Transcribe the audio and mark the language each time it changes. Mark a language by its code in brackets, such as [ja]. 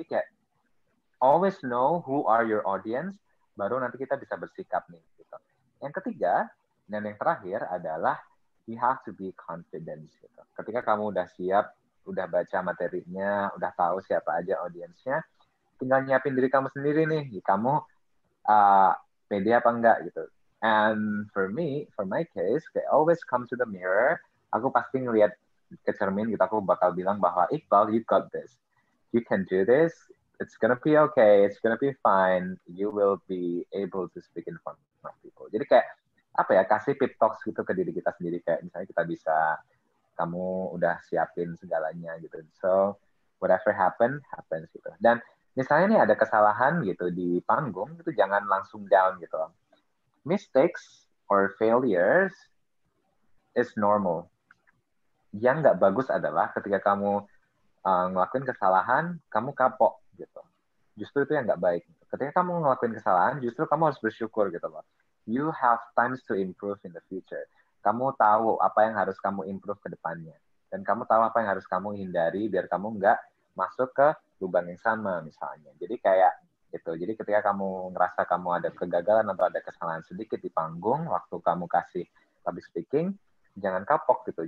[id] Jadi kayak [en] always know who are your audience, [id] baru nanti kita bisa bersikap nih gitu. Yang ketiga dan yang terakhir adalah [en] you have to be confident [id] gitu. Ketika kamu udah siap, udah baca materinya, udah tahu siapa aja audiensnya, tinggal nyiapin diri kamu sendiri nih, kamu pede apa enggak gitu. [en] And for me, for my case, I always come to the mirror. [id] Aku pasti ngeliat ke cermin gitu, aku bakal bilang bahwa Iqbal, [en] you got this, you can do this. It's gonna be okay. It's gonna be fine. You will be able to speak in front of people. [id] Jadi kayak apa ya, kasih pep talks gitu ke diri kita sendiri, kayak misalnya kita bisa, kamu udah siapin segalanya gitu. [en] So whatever happen, happens [id] gitu. Dan misalnya nih ada kesalahan gitu di panggung, itu jangan langsung down gitu. [en] Mistakes or failures is normal. [id] Yang nggak bagus adalah ketika kamu ngelakuin kesalahan, kamu kapok gitu. Justru itu yang nggak baik. Ketika kamu ngelakuin kesalahan, justru kamu harus bersyukur gitu loh. [en] You have times to improve in the future. [id] Kamu tahu apa yang harus kamu improve ke depannya. Dan kamu tahu apa yang harus kamu hindari biar kamu nggak masuk ke lubang yang sama misalnya. Jadi kayak gitu. Jadi ketika kamu ngerasa kamu ada kegagalan atau ada kesalahan sedikit di panggung, waktu kamu kasih public speaking, jangan kapok gitu.